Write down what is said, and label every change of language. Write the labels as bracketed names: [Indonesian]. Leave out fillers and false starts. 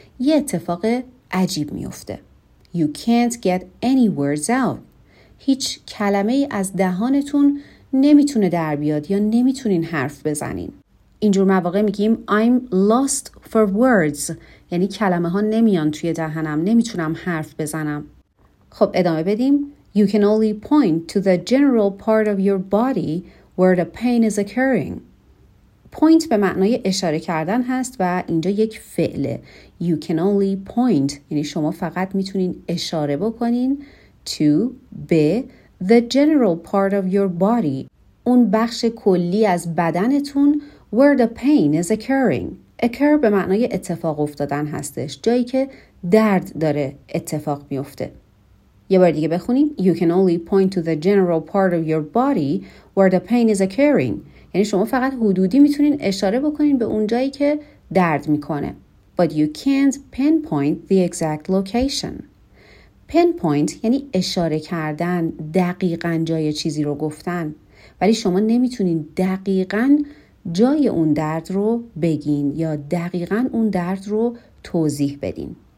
[Persian] یه اتفاق عجیب میفته. [English] You can't get any words out. [Persian] هیچ کلمه از دهانتون نمیتونه در بیاد یا نمیتونین حرف بزنین. اینجور مواقع میگیم [English] I'm lost for words. [Persian] یعنی کلمه ها نمیان توی دهنم، نمیتونم حرف بزنم. خب ادامه بدیم. [English] You can only point to the general part of your body where the pain is occurring. [Persian] Point به معنای اشاره کردن هست و اینجا یک فعله. [English] You can only point [Persian] یعنی شما فقط میتونین اشاره بکنین [English] to به the general part of your body، [Persian] اون بخش کلی از بدنتون [English] where the pain is occurring. [Persian] Occur به معنای اتفاق افتادن هستش، جایی که درد داره اتفاق میفته. یه بار دیگه بخونیم. [English] You can only point to the general part of your body where the pain is occurring. [Persian] یعنی شما فقط حدودی میتونین اشاره بکنین به اون جایی که درد میکنه. [English] But you can't pinpoint the exact location. [Persian] Pinpoint یعنی اشاره کردن، دقیقاً جای چیزی رو گفتن. ولی شما نمیتونین دقیقاً جای اون درد رو بگین یا دقیقاً اون درد رو توضیح بدین.